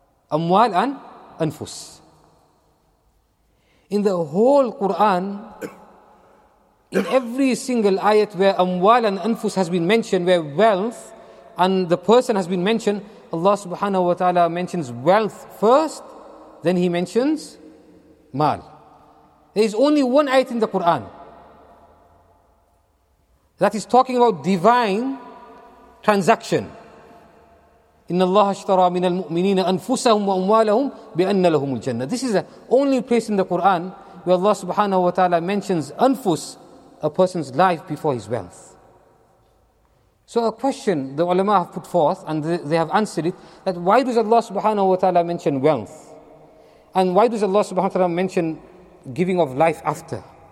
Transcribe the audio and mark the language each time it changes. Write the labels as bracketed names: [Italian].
[English] Amwal and anfus. In the whole Quran, in every single ayat where amwal and anfus has been mentioned, where wealth and the person has been mentioned, Allah subhanahu wa ta'ala mentions wealth first, then he mentions mal. There is only one ayat in the Quran that is talking about divine transaction. [Arabic] إن الله اشترى من المؤمنين أنفسهم وأموالهم بأن لهم الجنة. [English] This is the only place in the Quran where Allah subhanahu wa ta'ala mentions anfus, a person's life, before his wealth. So a question the ulama have put forth, and they have answered it, that why does Allah subhanahu wa ta'ala mention wealth? And why does Allah subhanahu wa ta'ala mention giving of life after?